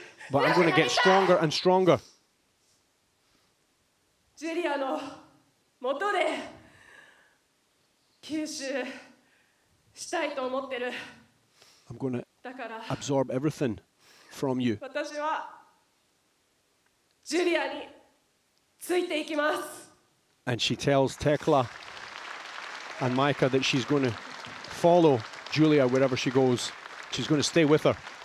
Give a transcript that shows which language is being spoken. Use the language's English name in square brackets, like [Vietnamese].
[English] But I'm going to get stronger and stronger. [Japanese] ジュリアの元で吸収したいと思ってる。 [English] I'm going to absorb everything from you. [Japanese] 私はジュリアについていきます。 [English] And she tells Tekla and Micah that she's going to follow Julia wherever she goes. She's going to stay with her.